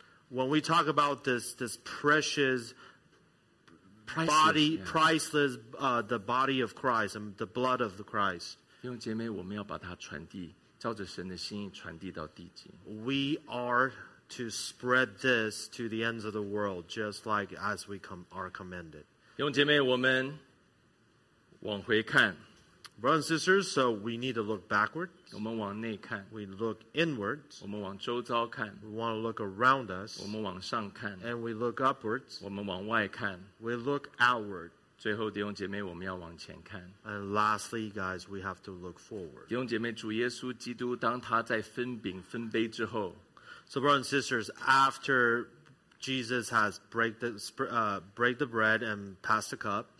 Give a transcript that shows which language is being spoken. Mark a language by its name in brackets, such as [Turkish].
[English] When we talk about this precious body, priceless, the body of Christ and the blood of Christ. [Chinese] 弟兄姐妹，我们要把它传递，照着神的心意传递到地极。 [English] We are to spread this to the ends of the world, just like as we are commended. [Chinese] 弟兄姐妹，我们往回看。 [English] Brothers and sisters, so we need to look backward. [Chinese] 我们往内看。 [English] We look inwards. [Chinese] 我们往周遭看。 [English] We want to look around us. [Chinese] 我们往上看。 [English] And we look upwards. [Chinese] 我们往外看。 [English] We look outward. [Chinese] 最后，弟兄姐妹，我们要往前看。 [English] And lastly, guys, we have to look forward. [Chinese] 弟兄姐妹，主耶稣基督当他在分饼分杯之后。 [English] So brothers and sisters, after Jesus has break the bread and passed the cup,